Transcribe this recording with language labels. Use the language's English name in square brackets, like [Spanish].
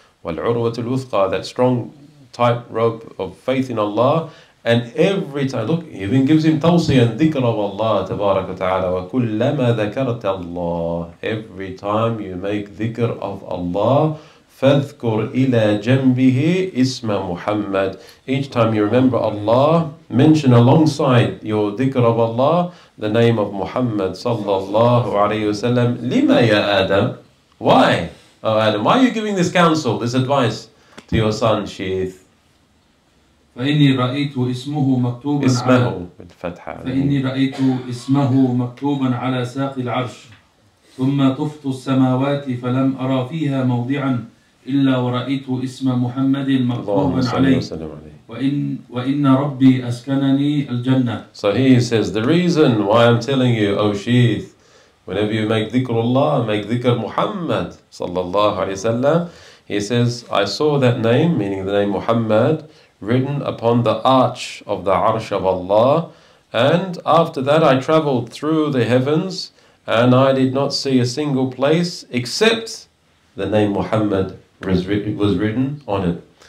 [Arabic] والعروة الوثقى, [English] that strong tight rope of faith in Allah, and every time, look, he even gives him tawsiyah and dhikr of Allah, tabarak wa ta'ala, [Arabic] wa kullama dhakarta Allah, [English] every time you make dhikr of Allah, [Arabic] fadhkur ila jambihi isma Muhammad, [English] each time you remember Allah, mention alongside your dhikr of Allah, the name of Muhammad sallallahu alayhi wasallam, [Arabic] lima ya Adam? [English] Why, oh Adam, why are you giving this counsel, this advice to your son Sheith? [Arabic] فإني رأيت اسمه مكتوبا اسمه على بالفتحة. فإني رأيت اسمه مكتوبا على ساق العرش ثم طفت السماوات فلم أرى فيها موضعا إلا ورأيت اسم محمد مكتوبا عليه وإن ربي أسكنني الجنة. [English] So he says the reason why I'm telling you, O Sheith, whenever you make dhikr Allah, make dhikr Muhammad sallallahu alayhi wasallam, he says I saw that name, meaning the name Muhammad, written upon the arch of the Arsh of Allah, and after that I traveled through the heavens and I did not see a single place except the name Muhammad was written on it.